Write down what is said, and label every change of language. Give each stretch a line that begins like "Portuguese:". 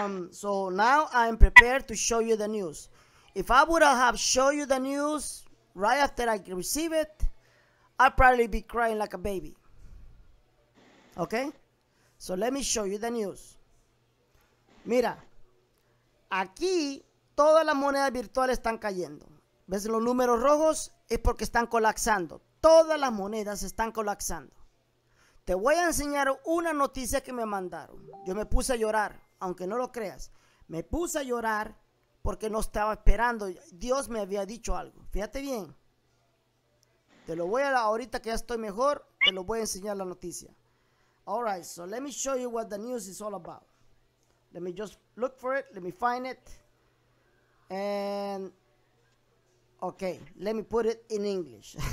English: So now I'm prepared to show you the news. If I would have shown you the news right after I receive it, I'd probably be crying like a baby. Okay? So let me show you the news.
Spanish: Mira, aquí todas las monedas virtuales están cayendo. ¿Ves los números rojos? Es porque están colapsando. Todas las monedas están colapsando. Te voy a enseñar una noticia que me mandaron. Yo me puse a llorar, aunque no lo creas. Me puse a llorar porque no estaba esperando. Dios me había dicho algo. Fíjate bien. Te lo voy a dar ahorita que ya estoy mejor. Te lo voy a enseñar la noticia.
English: All right, so let me show you what the news is all about. Let me just look for it. Let me find it. And, okay, let me put it in English.